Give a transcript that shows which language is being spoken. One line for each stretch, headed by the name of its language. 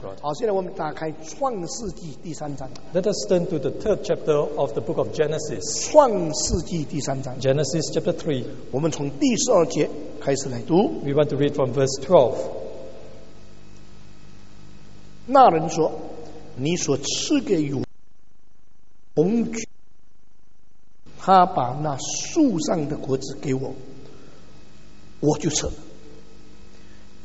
Chinese: 好，现在我们打开创世纪第三章。
English: Let us turn to the third chapter of the book of Genesis.
Chinese: 创世纪第三章。
English: Genesis chapter 3.
Chinese: 我们从第十二节开始来读。
English: We want to read from verse 12.
Chinese: 那人说：“你所赐给我红菊，他把那树上的果子给我，我就吃了。”